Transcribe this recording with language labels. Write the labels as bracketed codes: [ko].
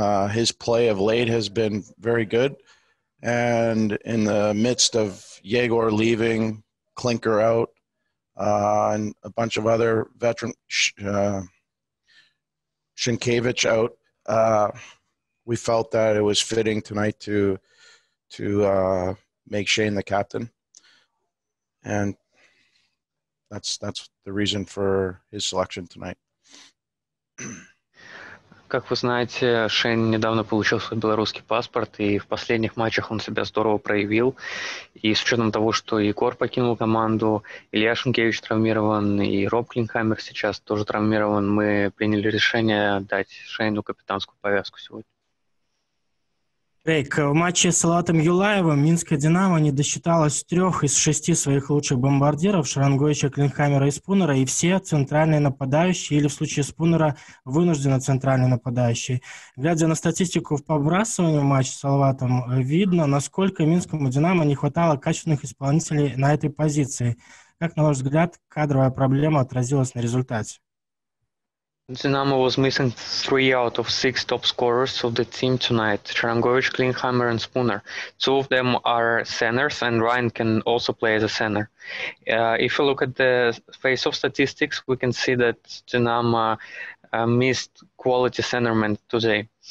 [en] His play of late has been very good. And in the midst of Yegor leaving, Klinker out, and a bunch of other veteran, Shinkevich out. We felt that it was fitting tonight to make Shane the captain, and that's the reason for his selection tonight. [ru] Как вы знаете, Шейн недавно получил свой белорусский паспорт, и в последних матчах он себя здорово проявил. И с учетом того, что Егор покинул команду, Илья Шенкевич травмирован, и Роб Клинхаммер сейчас тоже травмирован, мы приняли решение дать Шейну капитанскую повязку сегодня. Рейк, в матче с Салаватом Юлаевым Минская «Динамо» не досчиталась трех из шести своих лучших бомбардиров Шарангойча, Клинхаммера и Спунера, и все центральные нападающие, или в случае Спунера вынужденно центральный нападающий. Глядя на статистику в побрасыванию матча с Салаватом, видно, насколько Минскому «Динамо» не хватало качественных исполнителей на этой позиции. Как, на ваш взгляд, кадровая проблема отразилась на результате? [en] Dynamo was missing three out of six top scorers of the team tonight, Trangovic, Klinghammer and Spooner. Two of them are centers and Ryan can also play as a center. If you look at the face-off statistics, we can see that Dynamo missed quality centermen today.